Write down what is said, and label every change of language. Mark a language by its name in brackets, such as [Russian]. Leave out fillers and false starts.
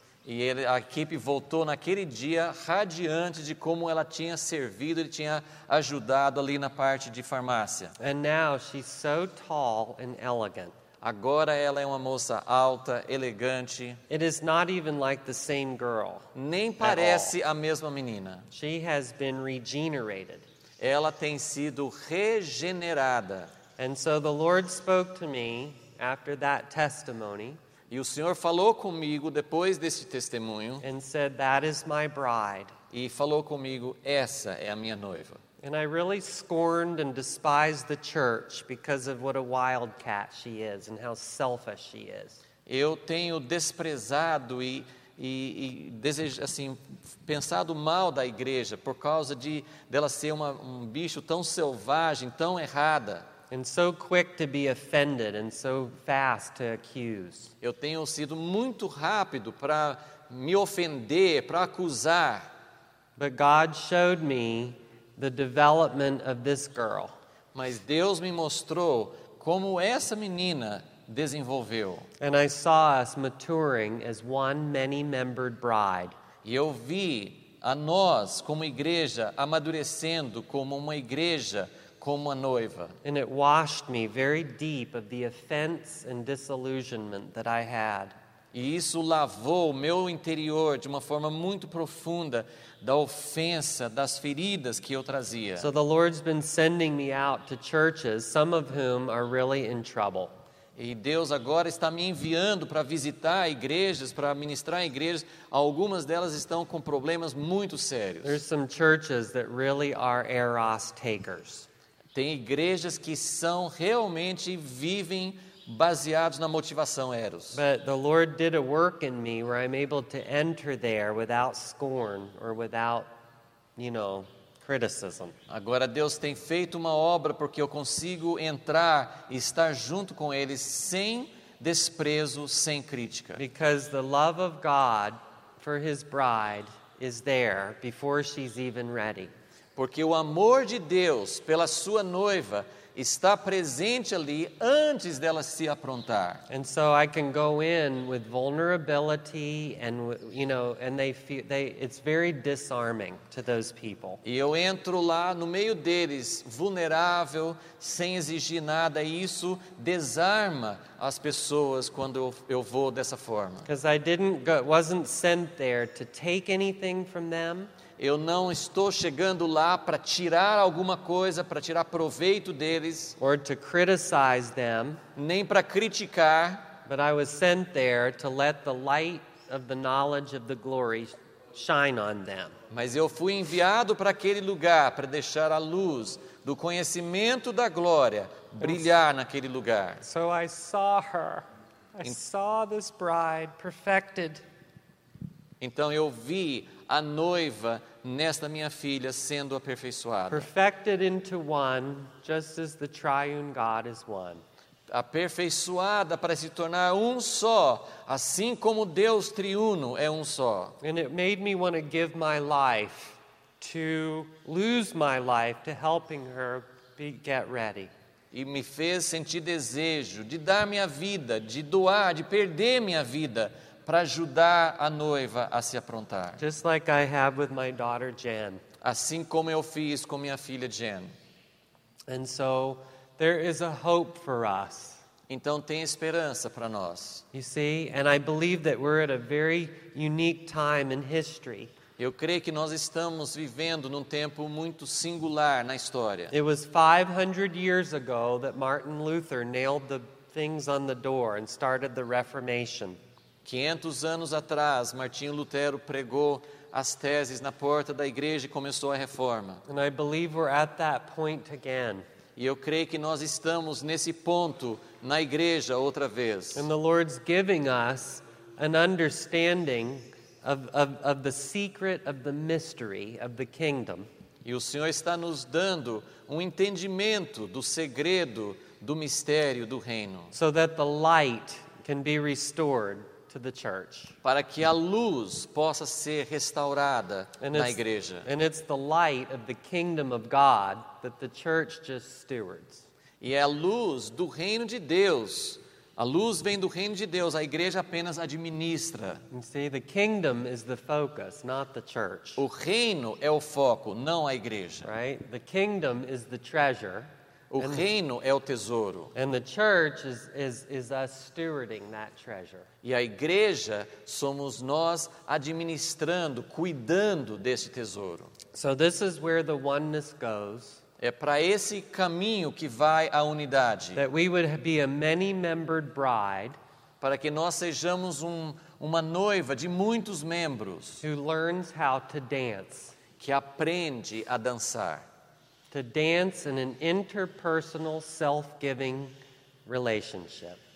[Portuguese] E a equipe voltou naquele dia radiante de como ela tinha servido e tinha ajudado ali na parte de farmácia. [English] And now she's so tall and elegant. [Portuguese] Agora ela é uma moça alta, elegante. [English] It is not even like the same girl. [Portuguese] Nem parece a mesma menina. [English] She has been regenerated. [Portuguese] Ela tem sido regenerada. [English] And so the Lord spoke to me after that testimony. [Portuguese] E o Senhor falou comigo depois desse testemunho. [English] And said, that is my bride. [Portuguese] E falou comigo, essa é a minha noiva. [English] And I really scorned and despised the church because of what a wildcat she is and how selfish she is. [Portuguese] Eu tenho desprezado e desejo, assim, pensado mal da igreja por causa dela ser um bicho tão selvagem, tão errada. [English] And so quick to be offended and so fast to accuse. [Portuguese] Eu tenho sido muito rápido para me ofender, para acusar. [English] But God showed me the development of this girl. [Portuguese] Mas Deus me mostrou como essa menina desenvolveu. [English] And I saw us maturing as one many-membered bride. [Portuguese] E eu vi a nós como igreja amadurecendo como uma igreja como a noiva. [English] And it washed me very deep of the offense and disillusionment that I had. [Portuguese] E isso lavou meu interior de uma forma muito profunda da ofensa, das feridas que eu trazia. [English] So the Lord's been sending me out to churches, some of whom are really in trouble. [Portuguese] E Deus agora está me enviando para visitar igrejas, para ministrar igrejas. Algumas delas estão com problemas muito sérios. [English] There's some churches that really are eros takers. [Portuguese] Tem igrejas que são realmente vivem baseados na motivação eros. [English] But the Lord did a work in me where I'm able to enter there without scorn or without, you know, criticism. [Portuguese] Agora Deus tem feito uma obra porque eu consigo entrar e estar junto com eles sem desprezo, sem crítica. [English] Because the love of God for his bride is there before she's even ready. [Portuguese] Porque o amor de Deus pela sua noiva está presente ali antes dela se aprontar. [English] And so I can go in with vulnerability and, you know, and they feel they, it's very disarming to those people. [Portuguese] E eu entro lá no meio deles, vulnerável, sem exigir nada, e isso desarma as pessoas quando eu vou dessa forma. [English] Because I didn't go, wasn't sent there to take anything from them. [Portuguese] Eu não estou chegando lá para tirar alguma coisa, para tirar proveito deles, [English] or to criticize them, [Portuguese] nem para criticar, [English] but I was sent there to let the light of the knowledge of the glory shine on them. [Portuguese] Mas eu fui enviado para aquele lugar para deixar a luz do conhecimento da glória brilhar naquele lugar. [English] So I saw her. I saw this bride perfected. [Portuguese] Então eu vi a noiva nesta minha filha sendo aperfeiçoada. [English] Perfected into one, just as the triune God is one. [Portuguese] Aperfeiçoada para se tornar um só, assim como Deus triuno é um só. [English] And it made me want to give my life, to lose my life, to helping her be, get ready. [Portuguese] E me fez sentir desejo de dar minha vida, de doar, de perder minha vida, para ajudar a noiva a se aprontar. [English] Just like I have with my daughter Jen. [Portuguese] Assim como eu fiz com minha filha Jen. [English] And so there is a hope for us. [Portuguese] Então tem esperança para nós. [English] You see, and I believe that we're at a very unique time in history. [Portuguese] Eu creio que nós estamos vivendo num tempo muito singular na história. [English] It was 500 years ago that Martin Luther nailed the things on the door and started the Reformation. [Portuguese] 500 anos atrás, Martinho Lutero pregou as teses na porta da igreja e começou a reforma. [English] And I believe we're at that point again. [Portuguese] E eu creio que nós estamos nesse ponto na igreja outra vez. [English] And the Lord's giving us an understanding of the secret of the mystery of the kingdom. [Portuguese] E o Senhor está nos dando um entendimento do segredo do mistério do reino. [English] So that the light can be restored to the church. [Portuguese] Para que a luz possa ser restaurada na igreja. [English] And it's the light of the kingdom of God that the church just stewards. [Portuguese] E é a luz do reino de Deus. A luz vem do reino de Deus, a igreja apenas administra. [English] You see, the kingdom is the focus, not the church. [Portuguese] O reino é o foco, não a igreja. [English] Right? The kingdom is the treasure. [Portuguese] O reino é o tesouro. [English] And the church is us stewarding that treasure. [Portuguese] E a igreja somos nós administrando, cuidando desse tesouro. [English] So this is where the oneness goes. [Portuguese] É para esse caminho que vai a unidade. [English] That we would be a many-membered bride. [Portuguese] Para que nós sejamos uma noiva de muitos membros. [English] Who learns how to dance. [Portuguese] Que aprende a dançar. [English] To dance in an interpersonal, self-giving relationship.